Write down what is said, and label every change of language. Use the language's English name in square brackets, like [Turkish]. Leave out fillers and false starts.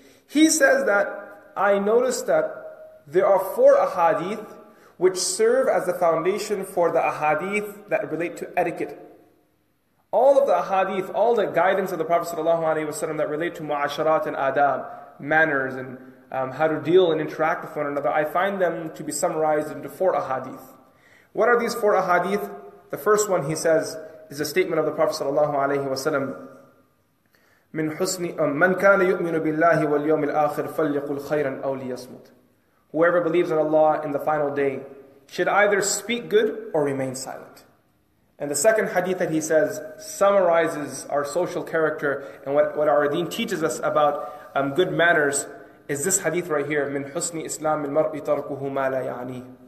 [English] He says that, I noticed that there are four ahadith which serve as the foundation for the ahadith that relate to etiquette. All of the ahadith, all the guidance of the Prophet ﷺ that relate to mu'asharat and adab, manners and how to deal and interact with one another, I find them to be summarized into four ahadith. What are these four ahadith? The first one, he says, is a statement of the Prophet ﷺ, [Arabic] مِنْ حُسْنِ مَنْ كَانَ يُؤْمِنُ بِاللَّهِ وَالْيَوْمِ الْآخِرِ فَلْيَقُلْ خَيْرًا أَوْ لِيَصْمُتْ. [English] Whoever believes in Allah in the final day should either speak good or remain silent. And the second hadith that he says summarizes our social character and what our deen teaches us about good manners is this hadith right here, [Arabic] مِنْ حُسْنِ إِسْلَامِ الْمَرْءِ تَرْكُهُ مَا لَا يَعْنِي.